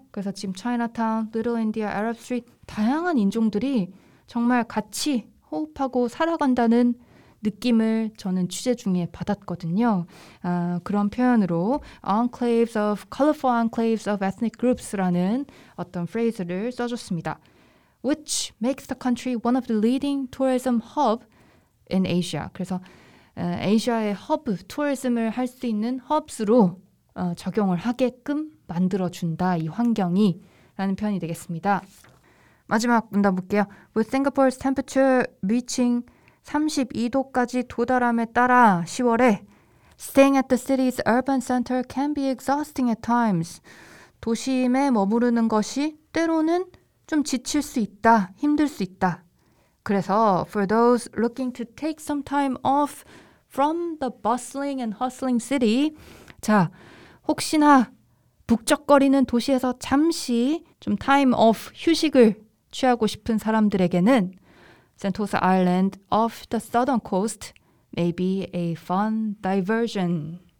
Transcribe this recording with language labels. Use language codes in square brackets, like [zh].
[ko] 그래서 지금 Chinatown, Little India, Arab Street 다양한 인종들이 정말 같이 호흡하고 살아간다는 느낌을 저는 취재 중에 받았거든요. 아, 그런 표현으로 enclaves of colorful enclaves of ethnic groups 라는 어떤 phrase를 써줬습니다. [en] Which makes the country one of the leading tourism hub in Asia. [ko] 그래서 아시아의 허브, 투어리즘을 할 수 있는 허브스로 적용을 하게끔 만들어준다, 이 환경이 라는 표현이 되겠습니다. [en] 마지막 문단 볼게요. With Singapore's temperature reaching 32도까지 도달함에 따라 10월에 Staying at the city's urban center can be exhausting at times. [ko] 도심에 머무르는 것이 때로는 좀 지칠 수 있다, 힘들 수 있다. [en] 그래서 for those looking to take some time off from the bustling and hustling city. [ko] 자, 혹시나 북적거리는 도시에서 잠시 좀 time off 휴식을 취하고 싶은 사람들에게는 센토사 아일랜드 off the southern coast may be a fun diversion.